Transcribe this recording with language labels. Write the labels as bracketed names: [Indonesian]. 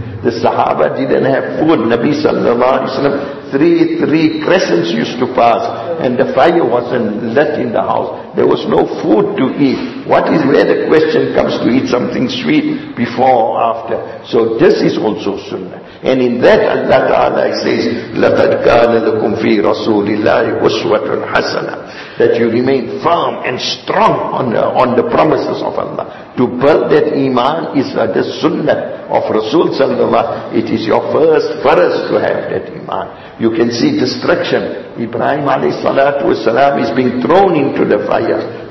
[English] The Sahaba didn't have food. Nabi sallallahu alayhi wa sallam, three crescents used to pass and the fire wasn't lit in the house. There was no food to eat. What is where the question comes to eat something sweet before or after? So this is also sunnah. And in that Allah Ta'ala says, [Arabic] لَقَدْ كَانَ لَكُمْ فِي رَسُولِ اللَّهِ وَسْوَةٌ حَسَنًا. [English] That you remain firm and strong on the promises of Allah. To build that iman is the sunnah of Rasul sallallahu alayhi wa sallam. It is your first faraz to have that iman. You can see destruction. Ibrahim alayhi salatu wa salam is being thrown into the fire.